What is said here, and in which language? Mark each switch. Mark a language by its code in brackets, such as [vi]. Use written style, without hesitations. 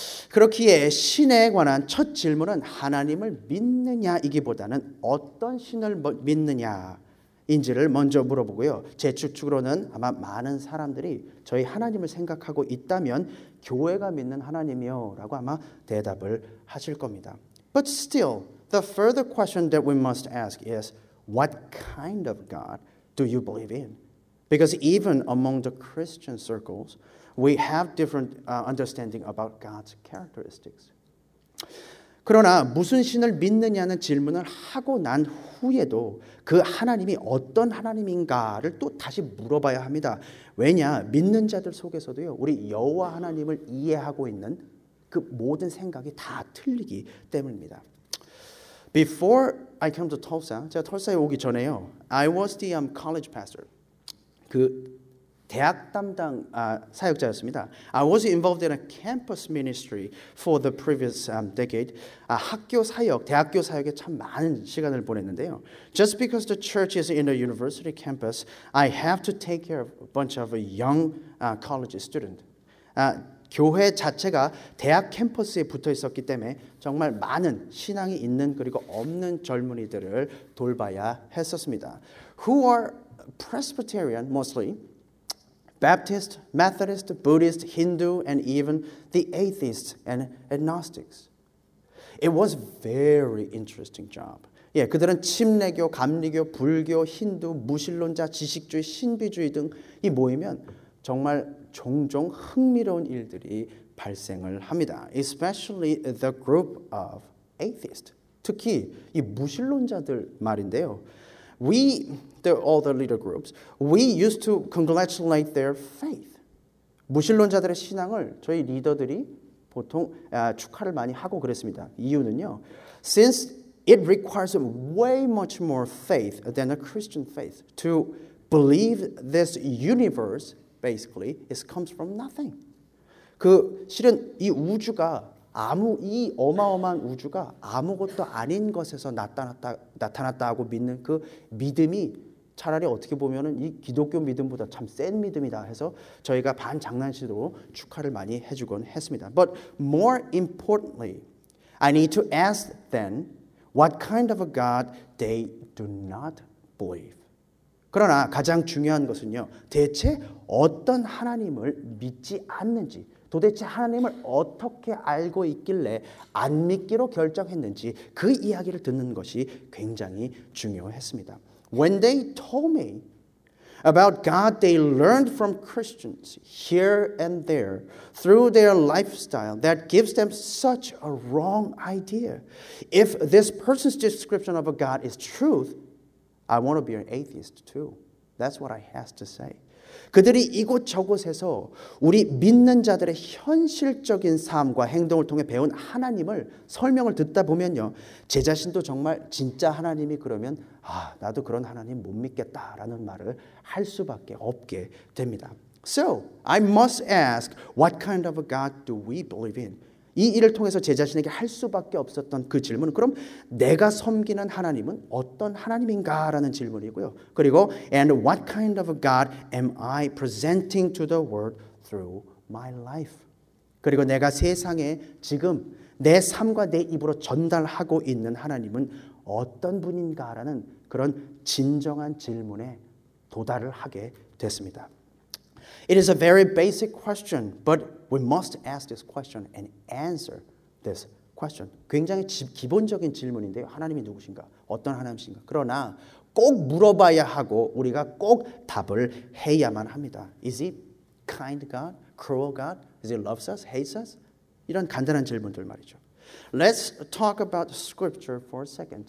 [ko] 그렇기에 신에 관한 첫 질문은 하나님을 믿느냐이기보다는 어떤 신을 믿느냐인지를 먼저 물어보고요. 제 추측으로는 아마 많은 사람들이 저희 하나님을 생각하고 있다면 교회가 믿는 하나님이요 라고 아마 대답을 하실 겁니다. [en] But still, the further question that we must ask is, what kind of God do you believe in? Because even among the Christian circles, we have different understanding about God's characteristics. [ko] 그러나 무슨 신을 믿느냐는 질문을 하고 난 후에도 그 하나님이 어떤 하나님인가를 또 다시 물어봐야 합니다. 왜냐? 믿는 자들 속에서도요, 우리 여호와 하나님을 이해하고 있는 그 모든 생각이 다 틀리기 때문입니다. [en] Before I came to Tulsa, [ko] 제가 톨사에 오기 전에요, [en] I was the college pastor. [ko] 그 대학 담당 사역자였습니다. [en] I was involved in a campus ministry for the previous decade. [ko] 학교 사역, 대학교 사역에 참 많은 시간을 보냈는데요. [en] Just because the church is in a university campus, I have to take care of a bunch of young college students. [ko] 교회 자체가 대학 캠퍼스에 붙어 있었기 때문에 정말 많은 신앙이 있는 그리고 없는 젊은이들을 돌봐야 했었습니다. [en] Who are Presbyterian, mostly, Baptist, Methodist, Buddhist, Hindu, and even the atheists and agnostics. It was a very interesting job. [ko] 예, 그들은 침례교, 감리교, 불교, 힌두, 무신론자, 지식주의, 신비주의 등이 모이면 정말 종종 흥미로운 일들이 발생을 합니다. [en] Especially the group of atheists. [ko] 특히 이 무신론자들 말인데요. [en] All the little groups, we used to congratulate their faith. [ko] 무신론자들의 신앙을 저희 리더들이 보통 축하를 많이 하고 그랬습니다. 이유는요. [en] Since it requires way much more faith than a Christian faith to believe this universe basically is comes from nothing. [ko] 그 실은 이 우주가 아무 이 어마어마한 우주가 아무것도 아닌 것에서 나타났다고 믿는 그 믿음이 차라리 어떻게 보면은 이 기독교 믿음보다 참 센 믿음이다 해서 저희가 반 장난식으로 축하를 많이 해주곤 했습니다. [en] But more importantly, I need to ask then what kind of a God they do not believe. [ko] 그러나 가장 중요한 것은요, 대체 어떤 하나님을 믿지 않는지. 도대체 하나님을 어떻게 알고 있길래 안 믿기로 결정했는지 그 이야기를 듣는 것이 굉장히 중요했습니다. [en] When they told me about God they learned from Christians here and there through their lifestyle that gives them such a wrong idea. If this person's description of a God is truth, I want to be an atheist too. That's what I have to say. [ko] 그들이 이곳 저곳에서 우리 믿는 자들의 현실적인 삶과 행동을 통해 배운 하나님을 설명을 듣다 보면요. 제 자신도 정말 진짜 하나님이 그러면 아, 나도 그런 하나님 못 믿겠다라는 말을 할 수밖에 없게 됩니다. [en] So, I must ask, what kind of a God do we believe in? [ko] 이 일을 통해서 제 자신에게 할 수밖에 없었던 그 질문은 그럼 내가 섬기는 하나님은 어떤 하나님인가라는 질문이고요. 그리고 [en] And what kind of a God am I presenting to the world through my life? [ko] 그리고 내가 세상에 지금 내 삶과 내 입으로 전달하고 있는 하나님은 어떤 분인가라는 그런 진정한 질문에 도달을 하게 됐습니다. [en] It is a very basic question, but we must ask this question and answer this question. [ko] 굉장히 기본적인 질문인데요. 하나님이 누구신가? 어떤 하나님이신가? 그러나 꼭 물어봐야 하고 우리가 꼭 답을 해야만 합니다. [en] Is he kind God? Cruel God? Is he loves us? Hates us? [ko] 이런 간단한 질문들 말이죠. [en] Let's talk about scripture for a second.